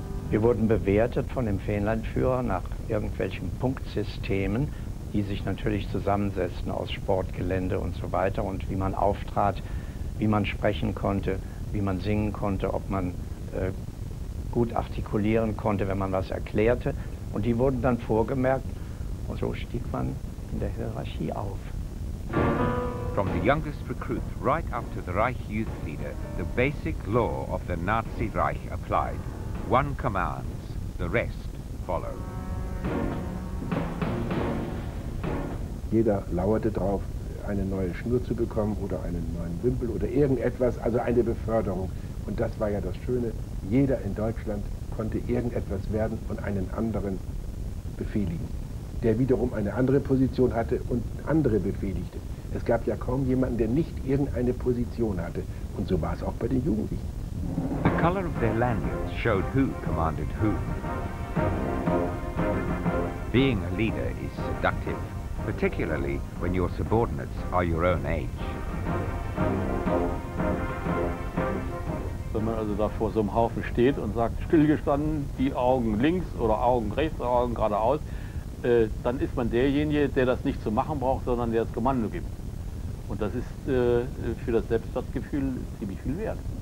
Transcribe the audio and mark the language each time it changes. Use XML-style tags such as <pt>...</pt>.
<de>Wir wurden bewertet von dem Fähnleinführer nach irgendwelchen Punktsystemen, die sich natürlich zusammensetzten aus Sportgelände und so weiter und wie man auftrat, wie man sprechen konnte, wie man singen konnte, ob man gut artikulieren konnte, wenn man was erklärte. Und die wurden dann vorgemerkt und so stieg man in der Hierarchie auf.</de> <en>From the youngest recruit right up to the Reich youth leader, the basic law of the Nazi Reich applied. One commands, the rest follow.</en> <de>Jeder lauerte darauf, eine neue Schnur zu bekommen oder einen neuen Wimpel oder irgendetwas, also eine Beförderung. Und das war ja das Schöne, jeder in Deutschland konnte irgendetwas werden und einen anderen befehligen, der wiederum eine andere Position hatte und andere befehligte. Es gab ja kaum jemanden, der nicht irgendeine Position hatte. Und so war es auch bei den Jugendlichen.</de> <en>The color of their lanyards showed who commanded who. Being a leader is seductive, particularly when your subordinates are your own age.</en> <de>Wenn man also da vor so einem Haufen steht und sagt, stillgestanden, die Augen links oder Augen rechts oder Augen geradeaus, dann ist man derjenige, der das nicht zu machen braucht, sondern der das Kommando gibt. Und das ist für das Selbstwertgefühl ziemlich viel wert.</de>